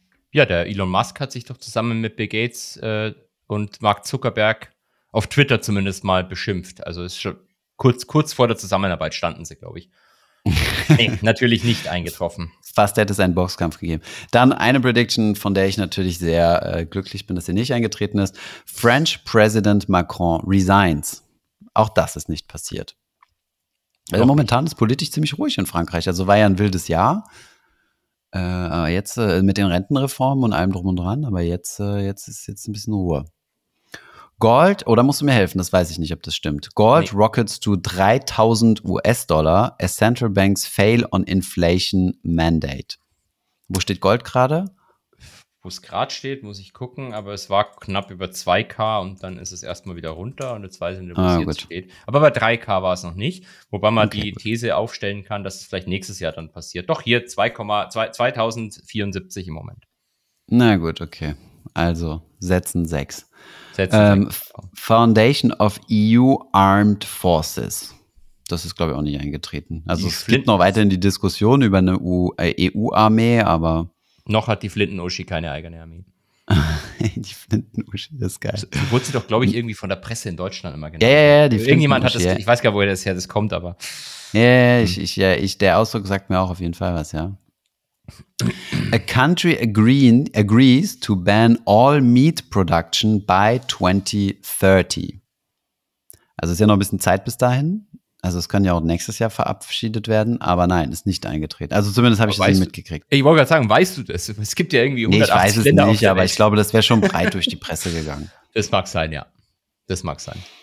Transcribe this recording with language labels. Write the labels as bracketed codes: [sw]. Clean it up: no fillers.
[de] Ja, der Elon Musk hat sich doch zusammen mit Bill Gates und Mark Zuckerberg auf Twitter zumindest mal beschimpft. Also ist schon kurz vor der Zusammenarbeit standen sie, glaube ich. Nee, natürlich nicht eingetroffen. Fast hätte es einen Boxkampf gegeben. Dann eine Prediction, von der ich natürlich sehr glücklich bin, dass sie nicht eingetreten ist. [en] French President Macron resigns. [de] Auch das ist nicht passiert. Also momentan ist politisch ziemlich ruhig in Frankreich. Also war ja ein wildes Jahr. Aber jetzt mit den Rentenreformen und allem drum und dran. Aber jetzt ist ein bisschen Ruhe. Gold, oder musst du mir helfen? Das weiß ich nicht, ob das stimmt. [en] Gold rockets to 3000 US-Dollar as central banks fail on inflation mandate. [de] Wo steht Gold gerade? Wo es gerade steht, muss ich gucken. Aber es war knapp über 2.000 und dann ist es erstmal wieder runter. Und jetzt weiß ich nicht, wo es jetzt steht. Aber bei 3.000 war es noch nicht. Wobei man die These aufstellen kann, dass es vielleicht nächstes Jahr dann passiert. Doch hier 2.074 im Moment. Na gut, okay. Also setzen 6. [en] Foundation of EU Armed Forces. [de] Das ist, glaube ich, auch nicht eingetreten. Also die es Flinten gibt noch weiterhin die Diskussion über eine EU-Armee, aber noch hat die Flinten-Uschi keine eigene Armee. Die Flinten-Uschi, das ist geil. So, wurde sie doch, glaube ich, irgendwie von der Presse in Deutschland immer genannt. Ja, ja, ja, die irgendjemand hat das, ja. Ich weiß gar nicht, woher das her, das kommt, aber ja, der Ausdruck sagt mir auch auf jeden Fall was, ja. [en] A country agrees to ban all meat production by 2030. [de] Also ist ja noch ein bisschen Zeit bis dahin. Also es kann ja auch nächstes Jahr verabschiedet werden. Aber nein, ist nicht eingetreten. Also zumindest habe ich das nicht mitgekriegt. Ich wollte gerade sagen, weißt du das? Es gibt ja irgendwie 180 Länder. Nee, ich weiß es nicht, aber ich glaube, das wäre schon breit durch die Presse gegangen. Das mag sein, ja. Das mag sein.